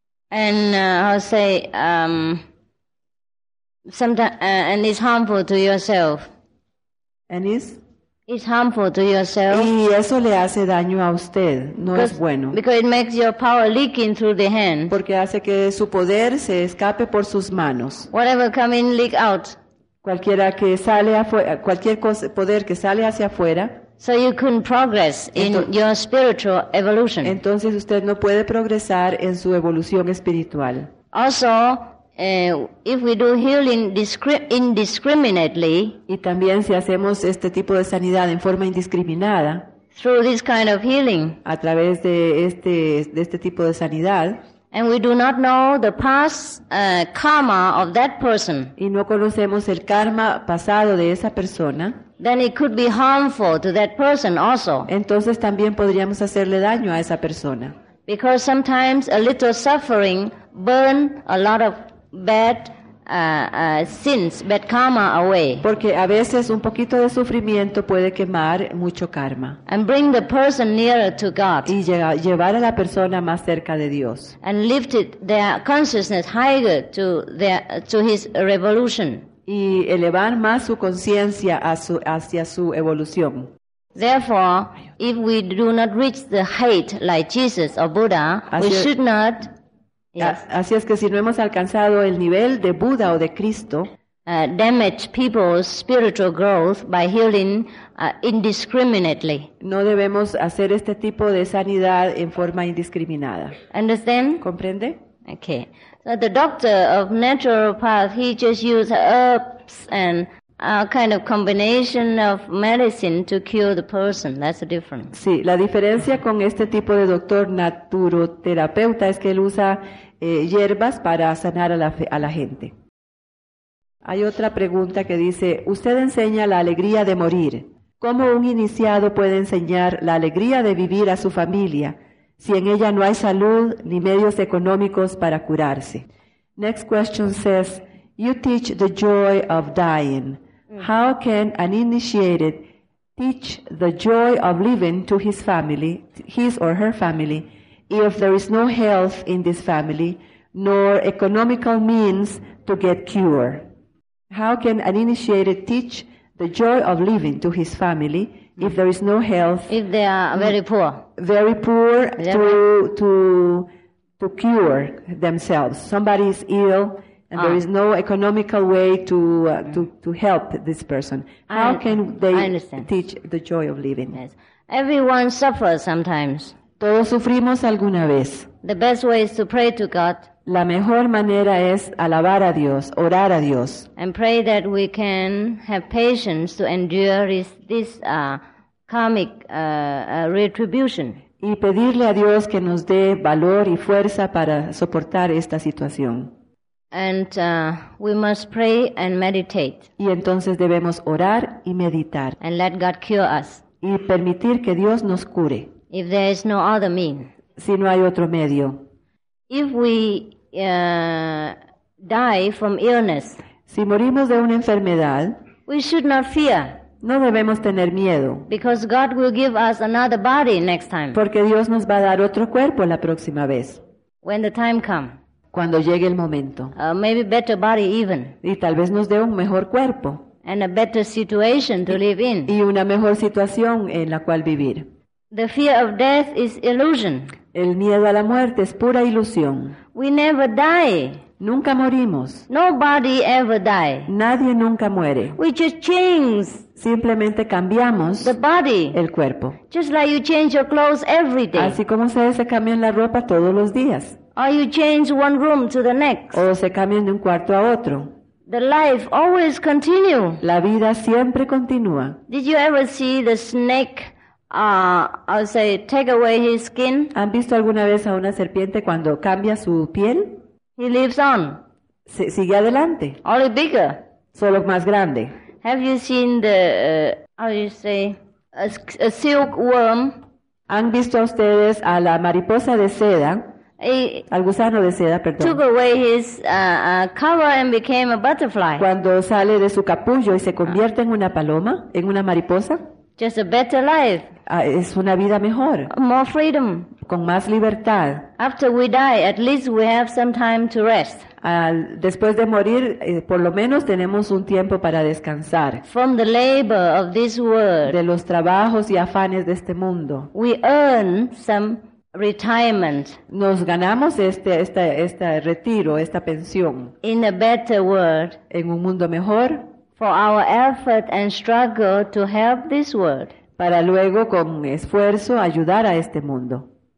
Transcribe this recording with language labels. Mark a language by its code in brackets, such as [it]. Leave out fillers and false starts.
[en] And I'll say, sometimes, and it's harmful to yourself. And is? It's harmful to yourself. [es] Y eso le hace daño a usted. No es bueno. [en] Because it makes your power leak in through the hand. [es] Porque hace que su poder se escape por sus manos. [en] Whatever come in, leak out. [es] Cualquiera que sale afuera, cualquier poder que sale hacia afuera. [en] So you can progress in your spiritual evolution. [es] Entonces usted no puede progresar en su evolución espiritual. [en] Also, if we do healing indiscriminately, [es] y también si hacemos este tipo de sanidad en forma indiscriminada, [en] through this kind of healing, [es] a través de este tipo de sanidad, [en] and we do not know the past karma of that person, [es] y no conocemos el karma pasado de esa persona, [en] then it could be harmful to that person also. [es] Entonces también podríamos hacerle daño a esa persona. [en] Because sometimes a little suffering burn a lot of bad sins, bad karma away. [es] Porque a veces un poquito de sufrimiento puede quemar mucho karma. [en] And bring the person nearer to God. [es] Y llevar a la persona más cerca de Dios. [en] And lift their consciousness higher to his revolution. [es] Y elevar más su conciencia hacia su evolución. [en] Therefore, if we do not reach the height like Jesus or Buddha, we should not. [es] Así es que si no hemos alcanzado el nivel de Buda o de Cristo, [en] damage people's spiritual growth by healing indiscriminately. [es] No debemos hacer este tipo de sanidad en forma indiscriminada. [en] Understand? [es] ¿Comprende? [en] Okay. So the doctor of naturopath, he just used herbs and a kind of combination of medicine to cure the person. That's the difference. [es] Sí, la diferencia con este tipo de doctor naturoterapeuta es que él usa hierbas para sanar a la gente. Hay otra pregunta que dice, usted enseña la alegría de morir. ¿Cómo un iniciado puede enseñar la alegría de vivir a su familia si en ella no hay salud ni medios económicos para curarse? [en] Next question says, you teach the joy of dying. How can an initiated teach the joy of living to his family, his or her family, if there is no health in this family, nor economical means to get cure? How can an initiated teach the joy of living to his family if there is no health? If they are very poor. Very poor to cure themselves. Somebody is ill. And there is no economical way to help this person. How can they teach the joy of living? Yes. Everyone suffers sometimes. [es] Todos sufrimos alguna vez. [en] The best way is to pray to God. [es] La mejor manera es alabar a Dios, orar a Dios. [en] And pray that we can have patience to endure this karmic retribution. [es] Y pedirle a Dios que nos dé valor y fuerza para soportar esta situación. [en] And we must pray and meditate. [es] Y entonces debemos orar y meditar. [en] And let God cure us. [es] Y permitir que Dios nos cure. [en] If there is no other means. [es] Si no hay otro medio. [en] If we die from illness. [es] Si morimos de una enfermedad. [en] We should not fear. [es] No debemos tener miedo. [en] Because God will give us another body next time. [es] Porque Dios nos va a dar otro cuerpo la próxima vez. [en] When the time comes. [es] Cuando llegue el momento. [en] Maybe better body even. [es] Y tal vez nos dé un mejor cuerpo. [en] And a better situation to live in. [es] Y una mejor situación en la cual vivir. [en] The fear of death is illusion. [es] El miedo a la muerte es pura ilusión. [en] We never die. [es] Nunca morimos. [en] Nobody ever die. [es] Nadie nunca muere. [en] We just change. [es] Simplemente cambiamos [en] the body, [es] el cuerpo. [en] Just like you change your clothes every day. [es] Así como se cambian la ropa todos los días. [en] Or you change one room to the next. [es] O se cambian de un cuarto a otro. [en] The life always continues. [es] La vida siempre continúa. [en] Did you ever see the snake, take away his skin? [es] ¿Han visto alguna vez a una serpiente cuando cambia su piel? [en] He lives on. [es] Sigue adelante. [en] Only bigger. [es] Solo más grande. [en] Have you seen the, a silk worm? [es] ¿Han visto ustedes a la mariposa de seda? Al gusano de seda, perdón. [en] Took away his cover and became a butterfly. [es] Cuando sale de su capullo y se convierte en una paloma, en una mariposa. [en] Just a better life. [es] Es una vida mejor. [en] More freedom. [es] con más libertad. [en] After we die, at least we have some time to rest. [es] Después de morir, por lo menos tenemos un tiempo para descansar. [en] From the labor of this world. [es] De los trabajos y afanes de este mundo. [en] We earn some retirement. [es] Nos ganamos este retiro, esta pensión. [en] In a better world. [es] En un mundo mejor. [en] For our effort and struggle to help this world. [es] Para luego con esfuerzo ayudar a este mundo.